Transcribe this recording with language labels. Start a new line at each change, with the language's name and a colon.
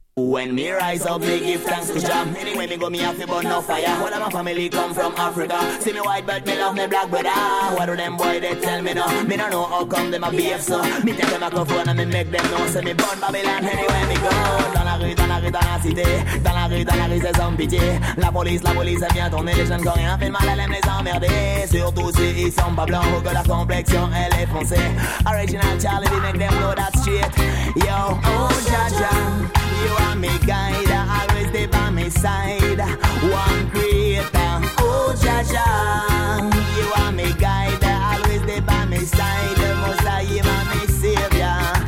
English: When me rise up, me give thanks to Jah. Anyway, me go me have to burn no fire. All of my family come from Africa. See me white, but me love me black brother. What do them boy they tell me no? Me no know how come them a beef so. Me take them a microphone and me make them know. See me burn Babylon anyway me go.
French: Dans la cité, dans la rue c'est sans pitié. La police elle vient tourner. Les jeunes coréens fait mal, elle aime les emmerder. Surtout si ils sont pas blancs ou que la complexion elle est foncée.
English: Original Charlie, we make them know that shit. Yo, oh Jaja, ja. You are my guide, always there by my side, one creator. Oh Jaja, ja. You are my guide, always there by my side, most I am my savior.